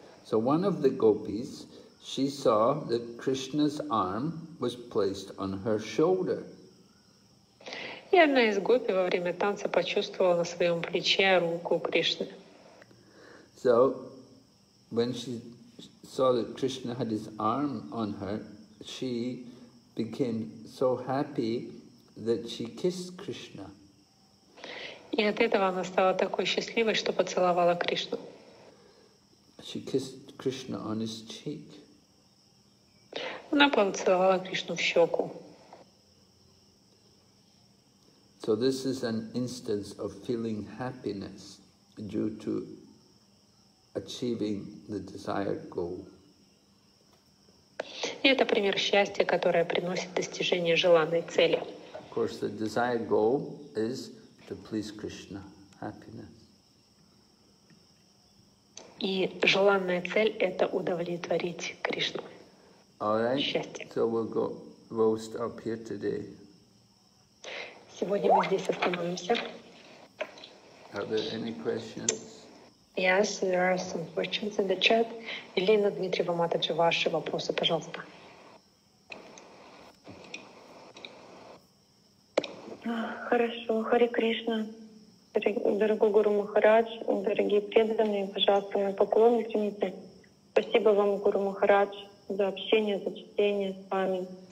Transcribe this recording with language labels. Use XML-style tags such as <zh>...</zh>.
<en>So one of the gopis, she saw that Krishna's arm was placed on her shoulder.</en> <ru>И одна из гопи во время танца почувствовала на своем плече руку Кришны.</ru> <en>So, when she saw that Krishna had his arm on her, she became so happy that she kissed Krishna.</en> <ru>И от этого она стала такой счастливой, что поцеловала Кришну.</ru> <en>She kissed Krishna on his cheek.</en> <ru>Она поцеловала Кришну в щеку.</ru> <en>So this is an instance of feeling happiness due to achieving the desired goal.</en> <ru>И это пример счастья, которое приносит достижение желанной цели.</ru> <en>Of course, the desired goal is to please Krishna, happiness.</en> <ru>И желанная цель – это удовлетворить Кришну.</ru> <en>All right. Счастье. So we'll stop here today.</en> <ru>Сегодня мы здесь остановимся.</ru> <en>Are there any questions? Yes, there are some questions in the chat.</en> <ru>Елена Дмитриева Матаджи, ваши вопросы, пожалуйста. Хорошо. Харе Кришна. Дорогой Гуру Махарадж, дорогие преданные, пожалуйста, мой поклон примите. Спасибо вам, Гуру Махарадж, за общение, за чтение с вами.</ru>